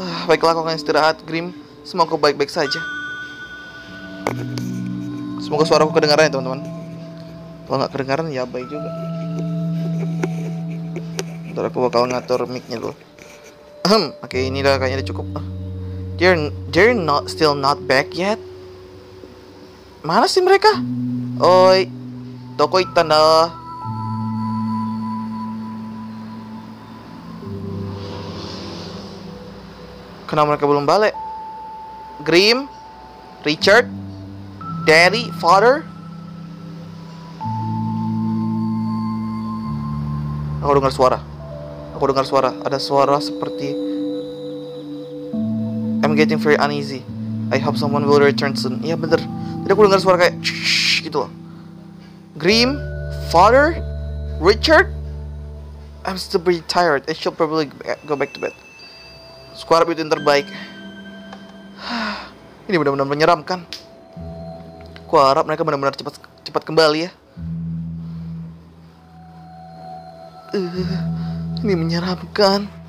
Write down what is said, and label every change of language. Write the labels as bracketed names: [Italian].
[Indonesian] Baiklah, aku akan istirahat, Grim. Semoga baik-baik saja. Semoga suaraku kedengaran ya, teman-teman. Kalau nggak kedengaran, ya baik juga. Ntar aku bakal ngatur mic-nya dulu. Okay, ini udah kayaknya udah cukup. [English] They're not still not back yet. [Indonesian] Mana sih mereka? Oi, toko itan dah. Kenapa mereka belum balik? Grim, Richard, Daddy, Father. Aku dengar suara. Aku dengar suara. Ada suara seperti. [English] I'm getting very uneasy. I hope someone will return soon. [Indonesian] Iya bener. Jadi aku dengar suara kayak shh gitu loh. Grim, Father, Richard. [English] I'm still pretty tired. I should probably go back to bed. [Indonesian] Squad up itu yang terbaik. Ini benar-benar menyeramkan. Ku harap mereka benar-benar cepat cepat kembali ya. Ini menyeramkan.